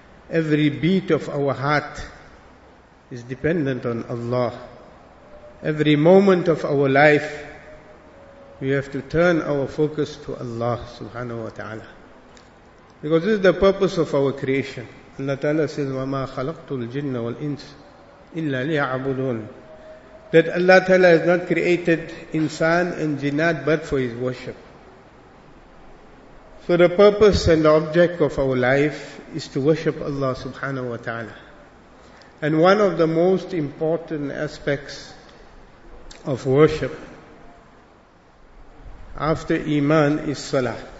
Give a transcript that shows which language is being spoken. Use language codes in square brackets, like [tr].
[en] Every beat of our heart is dependent on Allah. Every moment of our life, we have to turn our focus to Allah subhanahu wa ta'ala. Because this is the purpose of our creation. Allah ta'ala says, [ar] وَمَا خَلَقْتُ الْجِنَّ وَالْإِنسِ إِلَّا لِيَعْبُدُونَ. [en] That Allah ta'ala has not created insan and jinnat but for His worship. So the purpose and the object of our life is to worship Allah subhanahu wa ta'ala. And one of the most important aspects of worship after iman is salah.